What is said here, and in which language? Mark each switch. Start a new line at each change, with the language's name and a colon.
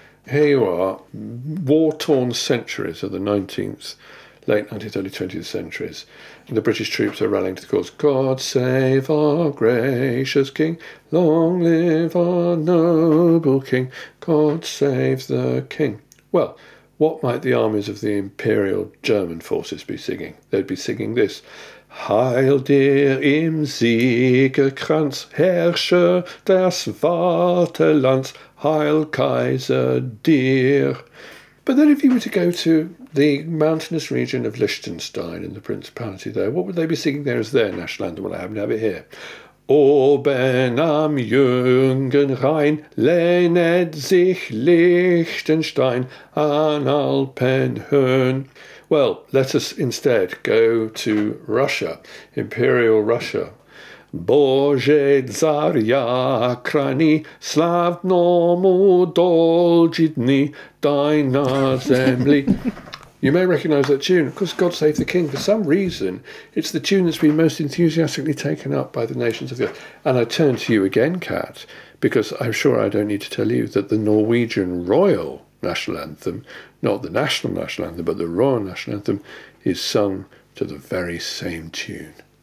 English: Here you are, war-torn centuries of the 19th, late 19th, early 20th centuries. And the British troops are rallying to the cause. God save our gracious king. Long live our noble king. God save the king. Well, what might the armies of the Imperial German forces be singing? They'd be singing this.
German: Heil dir im Siegerkranz, Herrscher des Vaterlands, Heil Kaiser dir.
English: But then if you were to go to the mountainous region of Liechtenstein in the principality there, what would they be singing there as their national anthem? Well, I happen to have it here.
German: Oben am Jungen Rhein lehnet sich Liechtenstein an Alpenhöhen.
English: Well, let us instead go to Russia, Imperial Russia.
Russian: Боже, царя храни, славному долги дни, дай на земле.
English: You may recognise that tune. Of course, God Save the King. For some reason, it's the tune that's been most enthusiastically taken up by the nations of the earth. And I turn to you again, Kat, because I'm sure I don't need to tell you that the Norwegian Royal National Anthem, not the National National Anthem, but the Royal National Anthem, is sung to the very same tune.